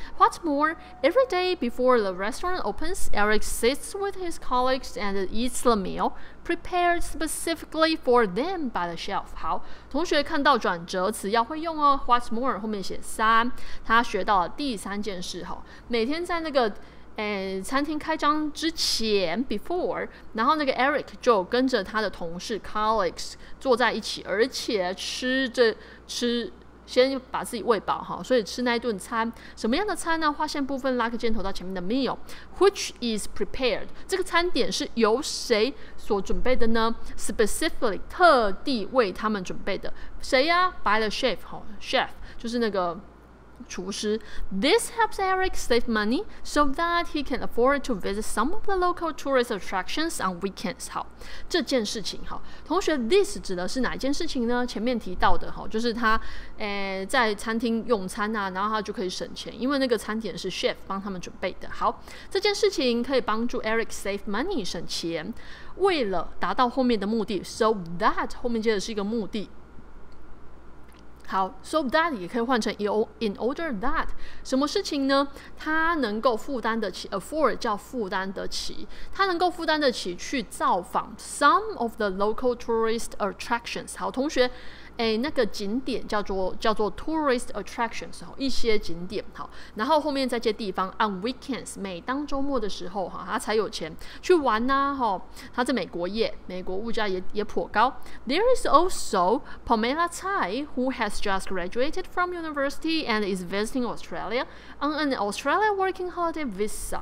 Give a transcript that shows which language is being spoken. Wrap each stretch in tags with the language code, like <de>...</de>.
<en>What's more, every day before the restaurant opens, Eric sits with his colleagues and eats the meal. Prepared specifically for them by the chef.</en> <zh>好，同学看到转折词要会用哦。</zh> <en>What's more</en> <zh>后面写三，他学到了第三件事哈。每天在那个餐厅开张之前</zh> <en>before，</en> <zh>然后那个 Eric 就跟着他的同事</zh> <en>colleagues</en> <zh>坐在一起，而且吃着吃先把自己喂饱哈，所以吃那一顿餐，什么样的餐呢？划线部分拉个箭头到前面的</zh> <en>meal， which is prepared，</en> <zh>这个餐点是由谁所准备的呢？</zh> <en>Specifically</en> <zh>特地为他们准备的，谁呀？</zh> <en>By the chef，</en> <zh>chef 就是那个厨师。</zh> <en>This helps Eric save money so that he can afford to visit some of the local tourist attractions on weekends。</en> <zh>好，这件事情好，同学</zh> <en>this</en> <zh>指的是哪一件事情呢？前面提到的好，就是他在餐厅用餐啊，然后他就可以省钱，因为那个餐点是 chef 帮他们准备的。好，这件事情可以帮助 Eric</zh> <en>save money</en> <zh>省钱，为了达到后面的目的，</zh> <en>so that</en> <zh>后面接的是一个目的。好，</zh> <en>so that</en> <zh>也可以换成</zh> <en>in order that，</en> <zh>什么事情呢？他能够负担得起，</zh> <en>afford</en> <zh>叫负担得起，他能够负担得起去造访</zh> <en>some of the local tourist attractions。</en> <zh>好，同学那个景点叫做</zh> <en>tourist attractions，</en> <zh>一些景点。好，然后后面再接地方</zh> <en>on weekends，</en> <zh>每当周末的时候他才有钱去玩啊。他在美国耶，美国物价 也颇高。</zh> <en>There is also Pamela Tsai who has just graduated from university and is visiting Australia on an Australia working holiday visa。</en>